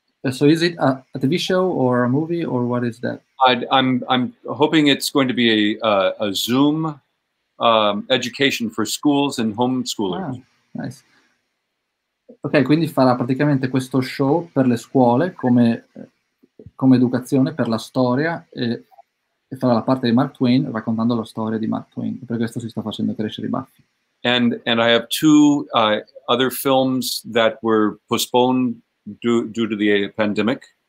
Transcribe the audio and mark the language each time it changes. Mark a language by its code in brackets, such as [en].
[en] So is it a TV show or a movie or what is that? I'm hoping it's going to be a Zoom education for schools and homeschoolers. Ah, nice. [it] Ok, quindi farà praticamente questo show per le scuole come educazione per la storia e farà la parte di Mark Twain raccontando la storia di Mark Twain. Per questo si sta facendo crescere i baffi. [en] And I have two other films that were postponed due to the pandemic.